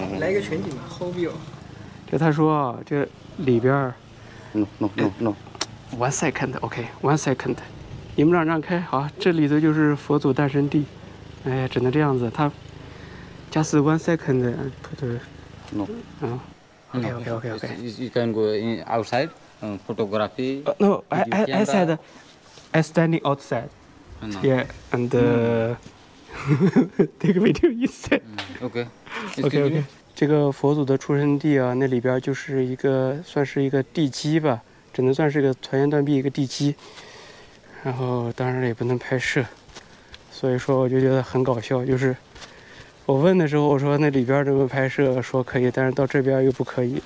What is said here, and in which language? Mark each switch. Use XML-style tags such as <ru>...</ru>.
<zh>来个全景吧 ，Hobio。就他说，这里边儿。</zh> <en>No. One second, OK. One second，</en> <zh>你们让开，好，这里头就是佛祖诞生地。哎呀，只能这样子。他 ，</zh> <en>just one second，</en> <zh>不对。</zh> <en>No。 OK. You can go in outside, photography. No, I said, I standing outside. Yeah, and take a video instead. Okay.</en> <zh>这个佛祖的出生地啊，那里边就是一个算是一个地基吧，只能算是一个团圆断壁一个地基。然后当然也不能拍摄，所以说我就觉得很搞笑。就是我问的时候，我说那里边怎么拍摄，说可以，但是到这边又不可以。</zh>